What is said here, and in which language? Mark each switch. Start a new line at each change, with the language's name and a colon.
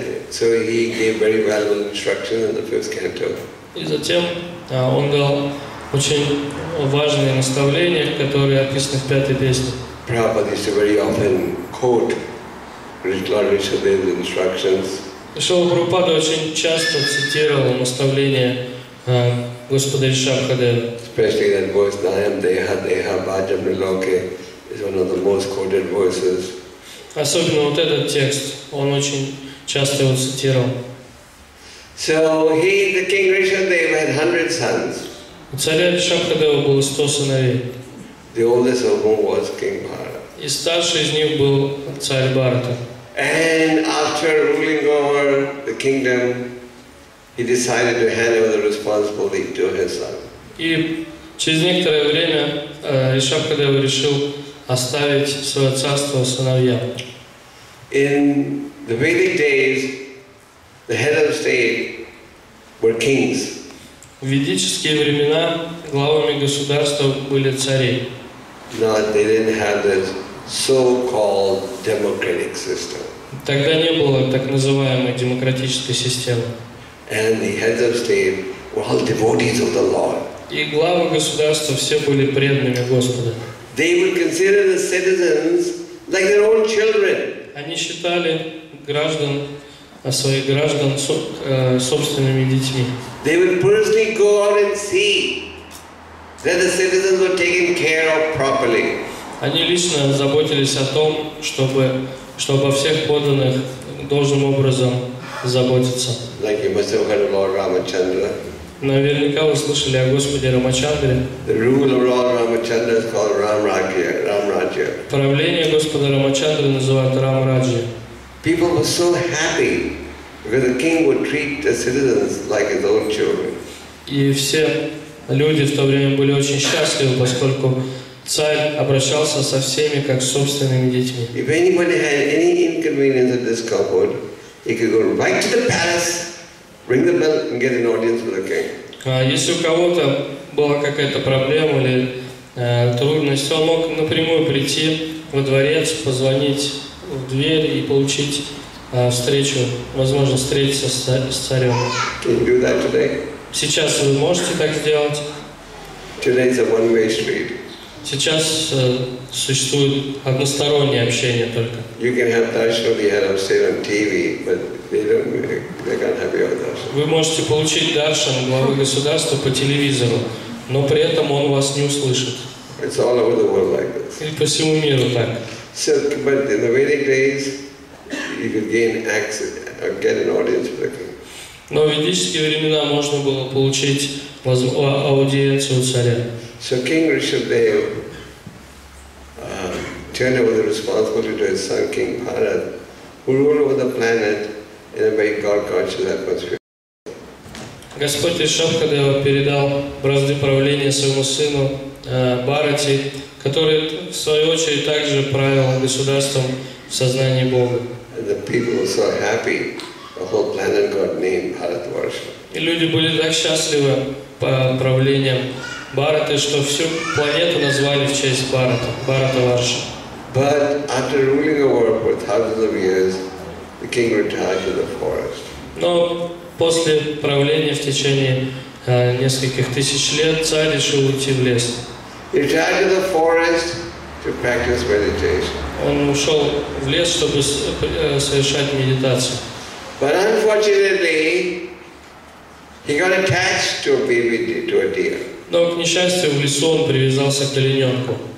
English: So he gave very valuable instructions in the first canto.
Russian: И затем он дал очень важные наставления, которые описаны в пятой песне.
English: Prabhupada used to very often quote Lord Rishabhadev's instructions.
Russian: Шрила Прабхупада очень часто цитировал наставления Господа Ришабхадева.
English: Especially that verse,
Sanskrit: Nayam Deha Deha Bhajam Niloke,
English: is one of the most quoted verses.
Russian: Особенно вот этот текст, он очень часто его цитировал.
English: So he, the King Rishabhadev, had 100 sons.
Russian: У царя Ришабхадева было 100 сыновей.
English: The oldest of whom was King Bharata.
Russian: И старший из них был царь Бхарата.
English: And after ruling over the kingdom, he decided to hand over the responsibility to his son.
Russian: И через некоторое время Ришабхадева решил оставить свое царство сыновьям.
English: In the Vedic days, the head of state were kings.
Russian: В ведические времена главами государства были цари.
English: No, they didn't have this so-called democratic system.
Russian: Тогда не было так называемой демократической системы.
English: And the heads of state were all devotees of the Lord.
Russian: И главы государства все были преданными Господу.
English: They would consider the citizens like their own children.
Russian: Они считали граждан, своих граждан собственными детьми.
English: They would personally go out and see that the citizens were taken care of properly.
Russian: Они лично заботились о том, чтобы обо всех подданных должным образом заботиться.
English: Like you must have heard of Lord Ramachandra.
Russian: Наверняка вы слышали о Господе Рамачандре.
English: The rule of Lord Ramachandra is called Ram Rajya.
Russian: Правление Господа Рамачандры называют Рам Раджья.
English: People were so happy because the king would treat the citizens like his own children.
Russian: И все люди в то время были очень счастливы, поскольку царь обращался со всеми как с собственными детьми.
English: If anybody had any inconvenience or discomfort, he could go right to the palace, ring the bell and get an audience with the king.
Russian: Если у кого-то была какая-то проблема или трудность, он мог напрямую прийти во дворец, позвонить в дверь и получить встречу, возможно, встретиться с царем.
English: Can you do that today?
Russian: Сейчас вы можете так сделать?
English: Today is a one-way street.
Russian: Сейчас существует одностороннее общение только.
English: You can have darshan of the head of state on TV, but they can't have your darshan.
Russian: Вы можете получить даршан главы государства по телевизору, но при этом он вас не услышит.
English: It's all over the world like this.
Russian: И по всему миру так.
English: So, but in the Vedic days, you could gain access or get an audience with him.
Russian: Но в ведические времена можно было получить аудиенцию у царя.
English: So King Rishabhadev turned over the responsibility to his son King Bharat, who ruled over the planet in a very God-conscious atmosphere.
Russian: Господь Ришабхадева передал бразды правления своему сыну Бхарате, который в свою очередь также правил государством в сознании Бога.
English: And the people were so happy. The whole planet got named Bharatvarsha.
Russian: И люди были так счастливы по правлениям Бхараты, что всю планету назвали в честь Бхарата, Бхаратаварша.
English: But after ruling over for thousands of years, the king retired to the forest.
Russian: Но после правления в течение нескольких тысяч лет царь решил уйти в лес.
English: He retired to the forest to practice meditation.
Russian: Он ушел в лес, чтобы совершать медитацию.
English: But unfortunately, he got attached to a baby, to a deer.
Russian: Но к несчастью в лесу он привязался к олененку.